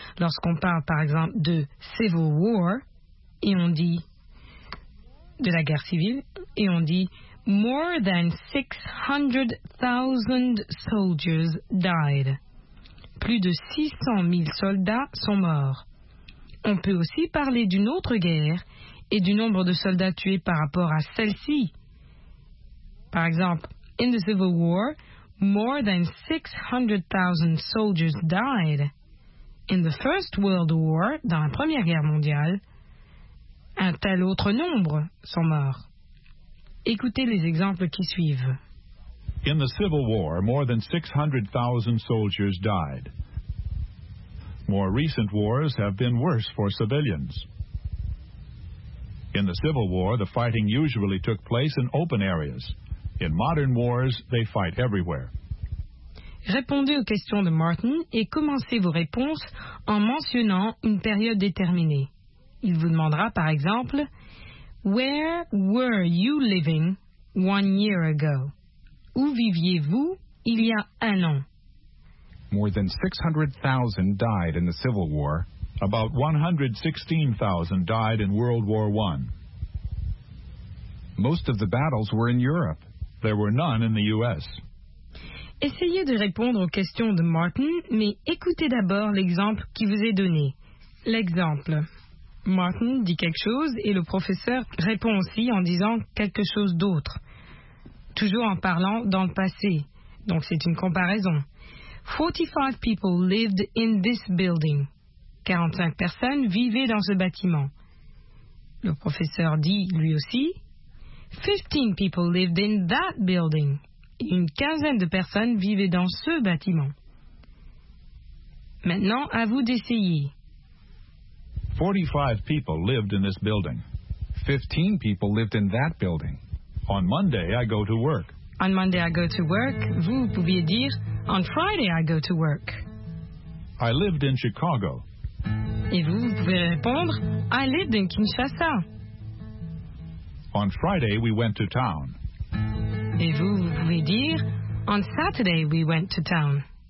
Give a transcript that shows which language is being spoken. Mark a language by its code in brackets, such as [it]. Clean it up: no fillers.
[fr] Lorsqu'on parle, par exemple, de Civil War, et on dit de la guerre civile, et on dit [en] More than 600,000 soldiers died. [fr] Plus de 600 000 soldats sont morts. On peut aussi parler d'une autre guerre et du nombre de soldats tués par rapport à celle-ci. Par exemple, [en] in the Civil War, more than 600,000 soldiers died. In the First World War, [fr] dans la Première Guerre mondiale, un tel autre nombre sont morts. Écoutez les exemples qui suivent. [en] In the Civil War, more than 600,000 soldiers died. More recent wars have been worse for civilians. In the Civil War, the fighting usually took place in open areas. In modern wars, they fight everywhere. [fr] Répondez aux questions de Martin et commencez vos réponses en mentionnant une période déterminée. Il vous demandera, par exemple, [en] Where were you living 1 year ago? [fr] Où viviez-vous il y a un an? [en] More than 600,000 died in the Civil War. About 116,000 died in World War I. Most of the battles were in Europe. There were none in the U.S. [fr] Essayez de répondre aux questions de Martin, mais écoutez d'abord l'exemple qui vous est donné. L'exemple. Martin dit quelque chose et le professeur répond aussi en disant quelque chose d'autre. Toujours en parlant dans le passé. Donc c'est une comparaison. [en] 45 people lived in this building. [fr] 45 personnes vivaient dans ce bâtiment. Le professeur dit lui aussi [en] 15 people lived in that building. [fr] Une quinzaine de personnes vivaient dans ce bâtiment. Maintenant, à vous d'essayer. [en] 45 people lived in this building. 15 people lived in that building. On Monday, I go to work. On Monday, I go to work. [fr] Vous pouviez dire, [en] On Friday, I go to work. I lived in Chicago. [fr] Et vous pouvez répondre, [en] I lived in Kinshasa. On Friday, we went to town. [fr] Et vous pouvez dire, [en] On Saturday, we went to town.